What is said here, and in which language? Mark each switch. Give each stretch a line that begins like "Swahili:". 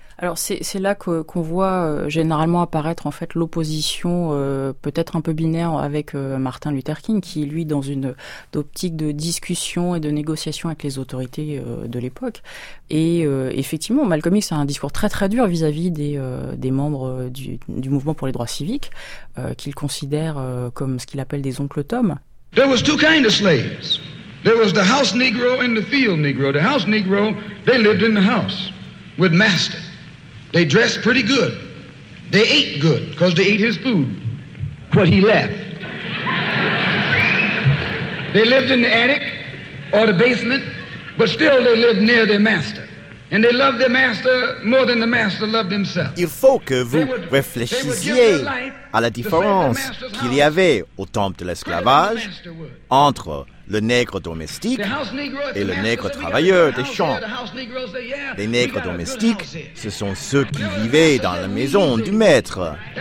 French: Alors c'est là qu'on voit généralement apparaître en fait l'opposition peut-être un peu binaire avec Martin Luther King qui lui dans une optique de discussion et de négociation avec les autorités de l'époque et effectivement Malcolm X a un discours très très dur vis-à-vis des membres du mouvement pour les droits civiques qu'il considère comme ce qu'il appelle des oncles Tom.
English: There was two kinds of slaves. There was the house Negro and the field Negro. The house Negro, they lived in the house with master. They dressed pretty good. They ate good, because they ate his food. But he left. They lived in the attic or the basement, but still they lived near their master. And they loved their master more than the master loved himself.
French: Il faut que vous réfléchissiez à la différence qu'il y avait au temps de l'esclavage entre le nègre domestique et le nègre travailleur des champs. Les nègres domestiques, ce sont ceux qui vivaient dans la maison du maître.